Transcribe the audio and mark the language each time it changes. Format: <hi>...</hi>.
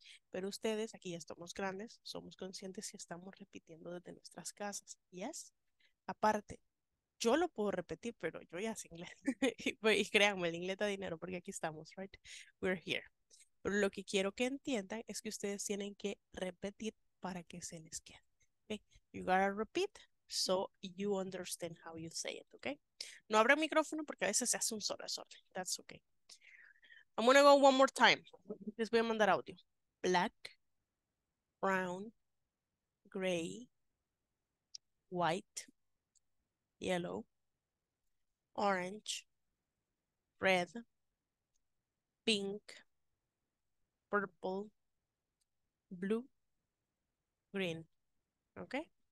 <es>Pero ustedes, aquí ya estamos grandes, somos conscientes y estamos repitiendo desde nuestras casas. ¿Yes? Aparte, yo lo puedo repetir, pero yo ya sé inglés. Y créanme, el inglés da dinero porque aquí estamos, ¿right?</es> <en>We're here.</en> <es>Pero lo que quiero que entiendan es que ustedes tienen que repetir para que se les quede.</es> <en>Okay? You gotta repeat so you understand how you say it, okay?</en> <es>No abra micrófono porque a veces se hace un solo desorden.</es> <en>That's okay. I'm gonna go one more time.</en> <es>Les voy a mandar audio.</es> <en>Black, brown, gray, white, yellow, orange, red, pink, purple, blue, green, okay?</en>